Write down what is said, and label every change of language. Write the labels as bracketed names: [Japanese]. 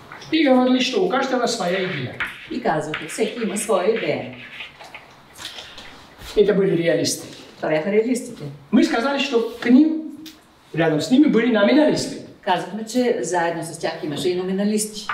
[Russian] И говорили, что у каждого своя идея. [Bulgarian] И казваха, всеки има своя идея. [Russian] Это были реалисты. [Bulgarian] Това бяха реалистите. [Russian] Мы сказали, что к ним, рядом с ними были номиналисты. [Bulgarian] Казахме, че заедно с тях имаше и номиналисти.